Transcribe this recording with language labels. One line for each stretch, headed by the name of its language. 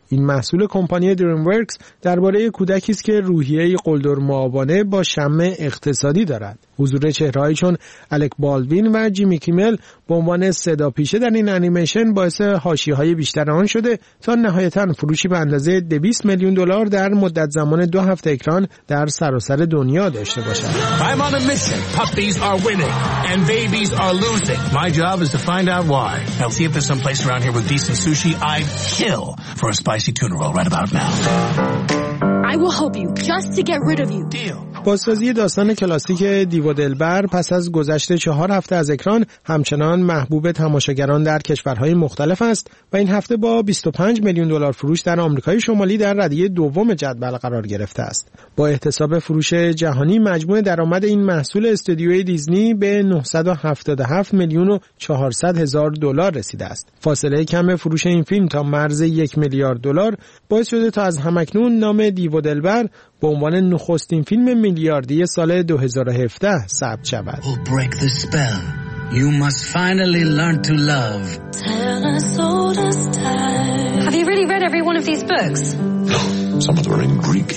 Persian: این محصول کمپانی دریم ورکس درباره کودکی است که روحیه‌ای قلدر معابانه با شمع اقتصادی دارد. حضور چهره‌ای چون الک بالوین و جیمی کیمل به عنوان صداپیشه در این انیمیشن باعث حاشیه‌های بیشتر آن شده تا نهایتاً فروشی به اندازه 200 میلیون دلار در مدت زمان 2 هفته اکران در سراسر دنیا داشته باشد.
English: I'm on a mission. Puppies are winning and babies are losing. My job is to find out why. I'll see if there's some place around here with decent sushi. I'd kill for a spicy tuna roll right about now. I will help you just to get rid of you. Deal.
Persian: بازسازی داستان کلاسیک دیو و دلبر پس از گذشت 4 هفته از اکران همچنان محبوب تماشاگران در کشورهای مختلف است و این هفته با 25 میلیون دلار فروش در آمریکای شمالی در ردیه دوم جدول قرار گرفته است. با احتساب فروش جهانی مجموع درآمد این محصول استودیوی دیزنی به 977 میلیون و 400 هزار دلار رسیده است. فاصله کم فروش این فیلم تا مرز 1 میلیارد دلار باعث شده تا از همکنون نام دیو و دلبر به عنوان نخستین فیلم میلیاردی سال 2017 ثبت شود.
English: We'll break the spell. You must finally learn to love. Tell us all the time. Have you really read every one of these books? Some of them are in Greek.